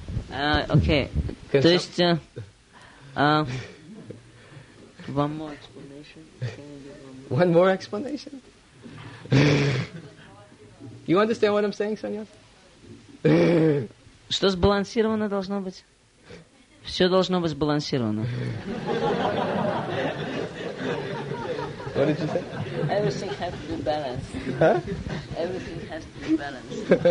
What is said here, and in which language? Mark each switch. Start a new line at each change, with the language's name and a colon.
English: Okay.
Russian: То есть.
English: One more explanation. One more explanation. You understand what I'm saying, Sonia?
Russian: Что сбалансировано должно быть? Все должно быть сбалансировано.
English: What did you say? Everything has to be balanced. Huh? Everything has to be balanced.